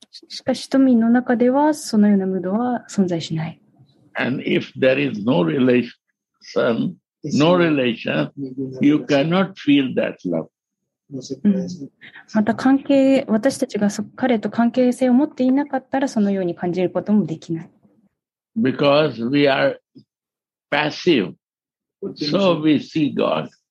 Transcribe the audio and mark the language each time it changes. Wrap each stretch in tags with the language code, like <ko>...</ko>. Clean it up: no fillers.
<ja>しかし富の中ではそのようなムードは存在しない。</ja> <en>And if there is no relation, no relation, you cannot feel that love.</en> <ja>また関係、私たちが彼と関係性を持っていなかったらそのように感じることもできない。</ja> <en>Because we are passive, so we see God.</en>